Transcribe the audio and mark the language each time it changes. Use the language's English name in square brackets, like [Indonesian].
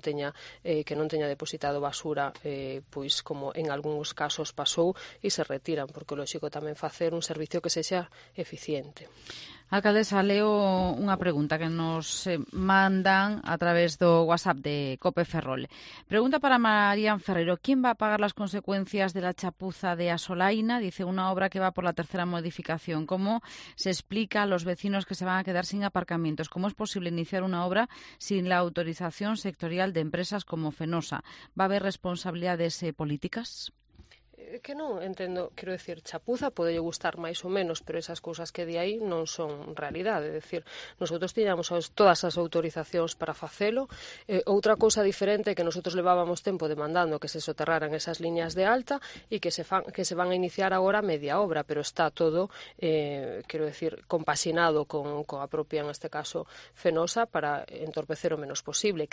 [Galician] teña que non teña depositado basura, pois como en algúns casos pasou, e se retiran, porque lógico tamén facer un servicio que sexa eficiente. Alcaldesa, leo unha pregunta que nos mandan a través do WhatsApp de Cope Ferrol. [Spanish] Pregunta para Marían Ferrero. ¿Quién va a pagar las consecuencias de la chapuza de Asolaina? Dice, una obra que va por la tercera modificación. ¿Cómo se explica a los vecinos que se van a quedar sin aparcamientos? ¿Cómo es posible iniciar una obra sin la autorización sectorial de empresas como Fenosa? ¿Va a haber responsabilidades políticas? [Galician] Que non entendo, quero decir, chapuza pode lle gustar máis ou menos, pero esas cousas que di aí non son realidade. É decir, nosotros tiñamos todas as autorizacións para facelo. Outra cousa diferente é que nosotros levábamos tempo demandando que se soterraran esas liñas de alta e que se van a iniciar agora media obra, pero está todo, quero decir, compaxinado con a propia, en este caso, Fenosa, para entorpecer o menos posible.